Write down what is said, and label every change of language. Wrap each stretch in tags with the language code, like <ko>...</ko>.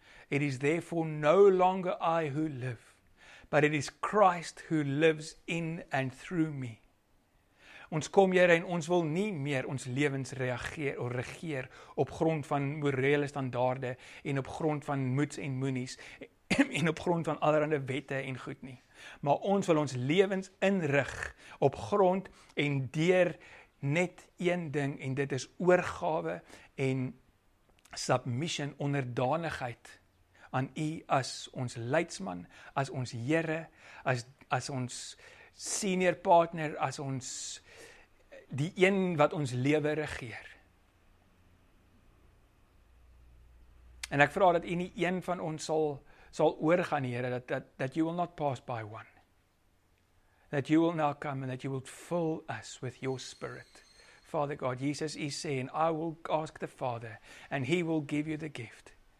<en>It is therefore no longer I who live, but it is Christ who lives in and through me.</en> <af>Ons kom, Here, en ons wil nie meer ons lewens reageer of regeer op grond van morele standaarde en op grond van moeds en moenies en op grond van allerhande wette en goed nie. Maar ons wil ons lewens inrig op grond en deur net een ding, en dit is oorgawe en submission, onderdanigheid aan U as ons leidsman, as ons Here, as ons senior partner, as ons die een wat ons lewe regeer. En ek vra dat U nie een van ons sal oorgaan, Here, dat</af> <en>you will not pass by one. That you will now come and that you will fill us with your Spirit. Father God, Jesus is saying, I will ask the Father and He will give you the gift.</en>